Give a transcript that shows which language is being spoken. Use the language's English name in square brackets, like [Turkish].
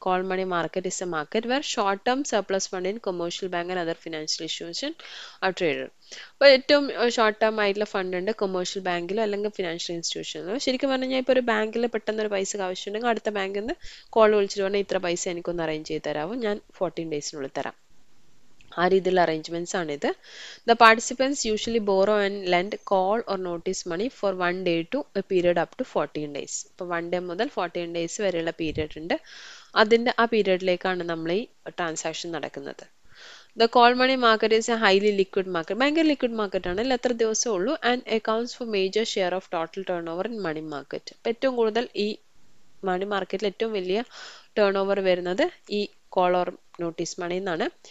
[English] Call money market is A market wear short term surplus fund in commercial bank and other financial institution ആ trader. [Malayalam] അപ്പോൾ ഏറ്റവും short term ആയിട്ടുള്ള fund ഉണ്ട് commercial ബാങ്കിലോ അല്ലെങ്കിൽ financial ഇൻസ്റ്റിറ്റ്യൂഷനിലോ. ശരിക്കും പറഞ്ഞാൽ ഇപ്പോൾ ഒരു ബാങ്കിൽ പെട്ടെന്ന് ഒരു പൈസ ആവശ്യമുണ്ടെങ്കിൽ അടുത്ത ബാങ്കിൽ നിന്ന് കോൾ വിളിച്ചിട്ട് പറഞ്ഞാൽ ഇത്ര പൈസ എനിക്കൊന്ന് അറേഞ്ച് ചെയ്ത് തരാമോ, ഞാൻ 14 ഡേയ്സിനുള്ളിൽ തരാം. ആ arrangements ആണിത്. [English] The participants usually borrow and lend call or notice money for 1 day to a period up to 14 days. [Malayalam] അപ്പോൾ 1 day മുതൽ 14 days വരെയുള്ള പീരീഡ് ഉണ്ട്. അതിൻ്റെ ആ പീരീഡിലേക്കാണ് നമ്മൾ ഈ ട്രാൻസാക്ഷൻ നടക്കുന്നത്. [English] The call money market is A highly liquid market. [Malayalam] ഭയങ്കര ലിക്വിഡ് മാർക്കറ്റ് ആണ്, എത്ര ദിവസമേ ഉള്ളൂ. [English] And accounts for major share of total turn over in money market. [Malayalam] അപ്പോൾ ഏറ്റവും കൂടുതൽ ഈ മണി മാർക്കറ്റിൽ ഏറ്റവും വലിയ ടേൺ ഓവർ വരുന്നത് ഈ കോൾ ഓർ നോട്ടീസ് മണി എന്നാണ്.